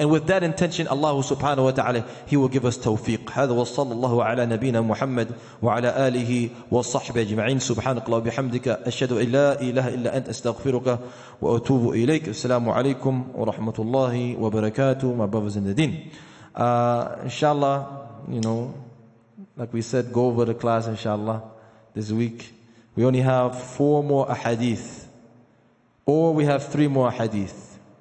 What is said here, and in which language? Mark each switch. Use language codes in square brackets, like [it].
[en] And with that intention, Allah subhanahu wa ta'ala, He will give us tawfiq. [ar] هذا وصلى الله على نبينا محمد وعلى آله وصحبه أجمعين. سبحانك اللهم وبحمدك أشهد أن لا إله إلا أنت أستغفرك وأتوب إليك. السلام عليكم ورحمة الله وبركاته. [en] My brothers in the deen. Inshallah, like we said, go over the class inshallah this week. We only have 4 more ahadith, or we have 3 more ahadith.